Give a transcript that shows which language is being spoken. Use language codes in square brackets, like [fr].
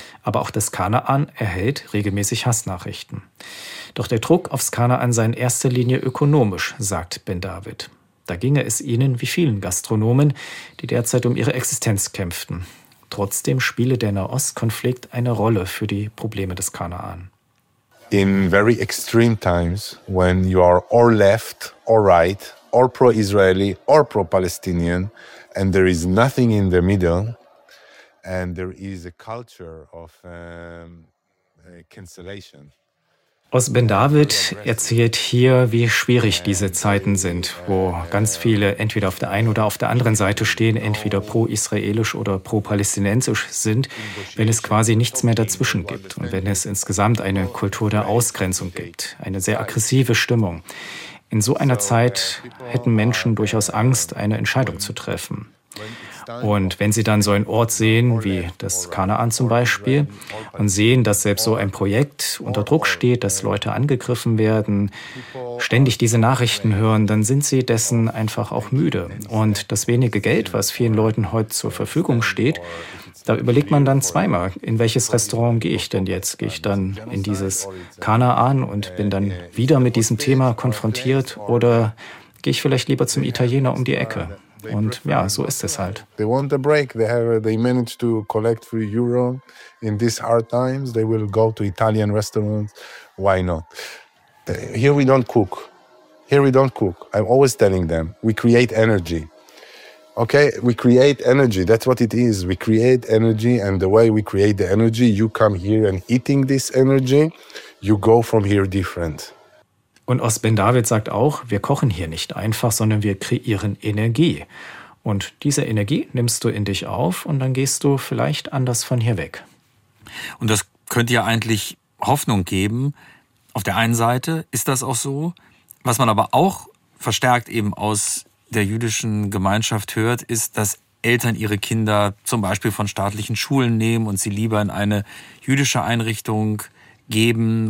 [de] Aber auch das Kanaan erhält regelmäßig Hassnachrichten. Doch der Druck aufs Kanaan sei in erster Linie ökonomisch, sagt Ben David. Da ginge es ihnen wie vielen Gastronomen, die derzeit um ihre Existenz kämpften. Trotzdem spiele der Nahostkonflikt eine Rolle für die Probleme des Kanaan. [en] In very extreme times, when you are or left or right, or pro-Israeli or pro-Palestinian, and there is nothing in the middle, and there is a culture of cancellation. [de] Aus Ben David erzählt hier, wie schwierig diese Zeiten sind, wo ganz viele entweder auf der einen oder auf der anderen Seite stehen, entweder pro-israelisch oder pro-palästinensisch sind, wenn es quasi nichts mehr dazwischen gibt und wenn es insgesamt eine Kultur der Ausgrenzung gibt, eine sehr aggressive Stimmung. In so einer Zeit hätten Menschen durchaus Angst, eine Entscheidung zu treffen. Und wenn sie dann so einen Ort sehen, wie das Kanaan zum Beispiel, und sehen, dass selbst so ein Projekt unter Druck steht, dass Leute angegriffen werden, ständig diese Nachrichten hören, dann sind sie dessen einfach auch müde. Und das wenige Geld, was vielen Leuten heute zur Verfügung steht, da überlegt man dann zweimal, in welches Restaurant gehe ich denn jetzt? Gehe ich dann in dieses Kanaan und bin dann wieder mit diesem Thema konfrontiert oder gehe ich vielleicht lieber zum Italiener um die Ecke? Und ja, so ist es halt. [en] They want a break. They managed to collect 3 euro in these hard times. They will go to Italian restaurants. Why not? Here we don't cook. Here we don't cook. I'm always telling them, we create energy. Okay, we create energy. That's what it is. We create energy, and the way we create the energy, you come here and eating this energy, you go from here different. [de] Und Os Ben David sagt auch, wir kochen hier nicht einfach, sondern wir kreieren Energie. Und diese Energie nimmst du in dich auf und dann gehst du vielleicht anders von hier weg. Und das könnte ja eigentlich Hoffnung geben. Auf der einen Seite ist das auch so. Was man aber auch verstärkt eben aus der jüdischen Gemeinschaft hört, ist, dass Eltern ihre Kinder zum Beispiel von staatlichen Schulen nehmen und sie lieber in eine jüdische Einrichtung geben.